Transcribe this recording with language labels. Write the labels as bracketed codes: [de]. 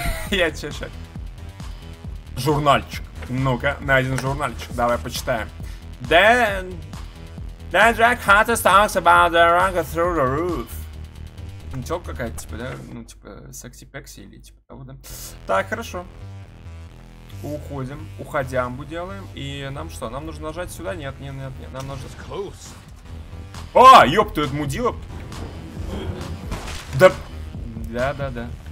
[ru] Я тебя сейчас... Журнальчик. Ну-ка, найден журнальчик. Давай, почитаем. [en] Then Jack Hunter talks about the rocket through the roof. [ru] Ну, тёлка какая-то, типа, да? Ну, типа, секси-пекси или типа того, да? Так, хорошо. Уходим. Уходямбу делаем. И нам что? Нам нужно нажать сюда? Нет, нет, нет, нет. Нам нужно... [en] Close. [ru] О, ёпта, это мудила. Да... Да-да-да.